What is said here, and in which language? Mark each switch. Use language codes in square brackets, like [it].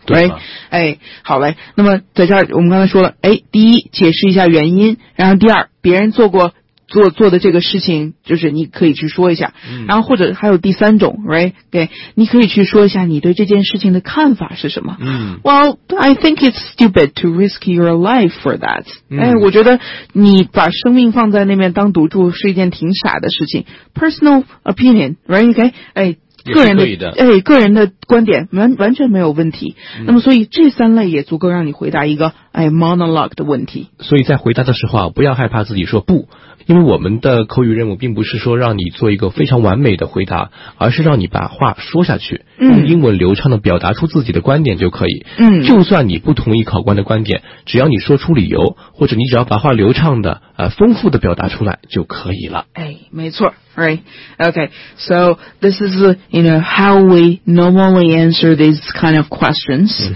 [zh] 对、哎、好嘞，那么在这儿我们刚才说了、哎、第一解释一下原因，然后第二别人做过做的这个事情，就是你可以去说一下。然后或者还有第三种 ，right？给你可以去说一下你对这件事情的看法是什么。 [en] Well, I think it's stupid to risk your life for that。 [zh] 哎，我觉得你把生命放在那边当赌注是一件挺傻的事情。 [en] Personal opinion, right？ 给，哎。 [zh] 个人的观点完全没有问题。那么所以这三类也足够让你回答一个monologue 的问题。所以在回答的时候啊，不要害怕自己说不，因为我们的口语任务并不是说让你做一个非常完美的回答，而是让你把话说下去，用英文流畅的表达出自己的观点就可以。就算你不同意考官的观点，只要你说出理由，或者你只要把话流畅的丰富的表达出来就可以了。哎，没错。 [en] Right. Okay. So this is, you know, how we normally answer these kind of questions.